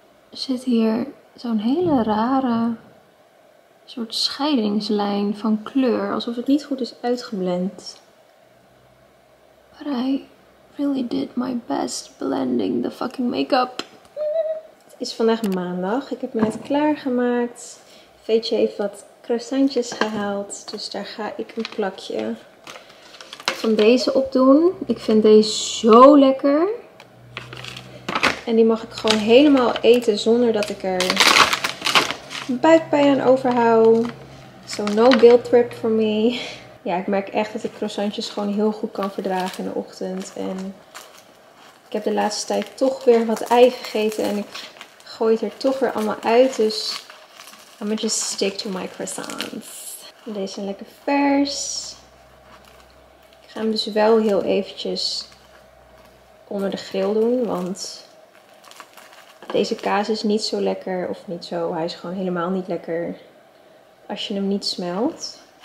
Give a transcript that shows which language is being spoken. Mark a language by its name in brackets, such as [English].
[Dutch] zit hier zo'n hele rare soort scheidingslijn van kleur, alsof het niet goed is uitgeblend. [English] But I really did my best blending the fucking make-up. [Dutch] Het is vandaag maandag. Ik heb me net klaargemaakt. Veetje heeft wat croissantjes gehaald. Dus daar ga ik een plakje van deze op doen. Ik vind deze zo lekker. En die mag ik gewoon helemaal eten zonder dat ik er buikpijn aan overhoud. [English] So no guilt trip for me. [Dutch] Ja, ik merk echt dat ik croissantjes gewoon heel goed kan verdragen in de ochtend. En ik heb de laatste tijd toch weer wat ei gegeten. En ik gooi het er toch weer allemaal uit. [English] Dus I'm gonna just stick to my croissants. [Dutch] Deze zijn lekker vers. Ik ga hem dus wel heel eventjes onder de grill doen. Want deze kaas is niet zo lekker. Of niet zo. Hij is gewoon helemaal niet lekker als je hem niet smelt.